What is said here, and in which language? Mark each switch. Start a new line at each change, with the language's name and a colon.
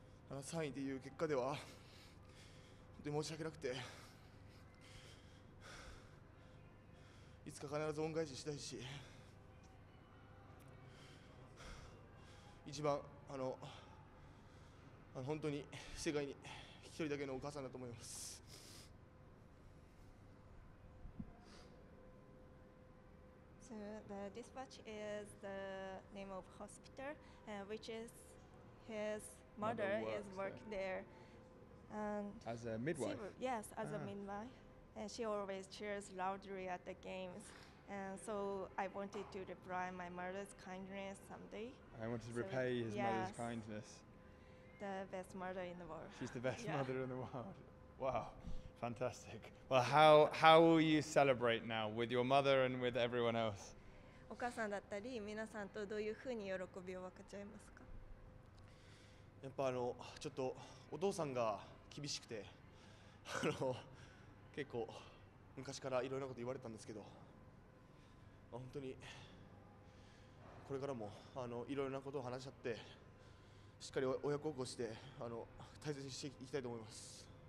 Japanese: 3位という結果では本当に申し訳なくて、いつか必ず恩返ししたいし、一番本当に世界に一人だけのお母さんだと思います。
English: So the dispatch is the name of hospital, which is his mother is working there. And as a midwife? As a midwife. And she always cheers loudly at the games. And so I wanted to repay my mother's kindness someday. I wanted to repay his mother's kindness. The best mother in the world. She's the best mother in the world. Wow. Fantastic. Well, how will you celebrate now with your mother and with everyone else?
Japanese: お母さんだったり、皆さんとどういうふうに喜びを分かち合いますか？やっぱちょっとお父さんが厳しくて、結構昔からいろいろなこと言われたんですけど、本当にこれからもいろいろなことを話し合って、しっかり親孝行して大切にしていきたいと思います。